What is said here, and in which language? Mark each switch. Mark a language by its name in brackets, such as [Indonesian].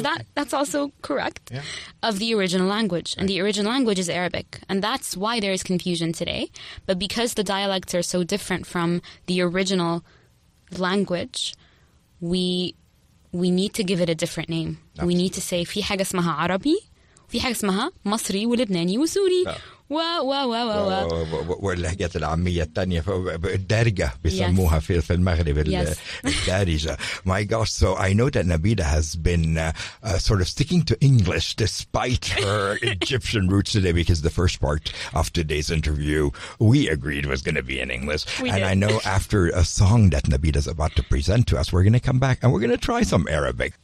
[English] Because that's also correct, of the original language. Right. And the original language is Arabic. And that's why there is confusion today. But because the dialects are so different from the original language, we need to give it a different name. Absolutely. We need to say [Arabic] في حاجة اسمها عربي في حاجة اسمها مصري ولبناني وسوري و و و و و واللهجات العامية التانية الدارجة بيسموها في المغرب الدارجة. [English] My gosh, so I know that Nabila has been sort of sticking to English despite her Egyptian roots today, because the first part of today's interview we agreed was going to be in English. We did. I know after a song that Nabila is about to present to us, we're going to come back and we're going to try some Arabic.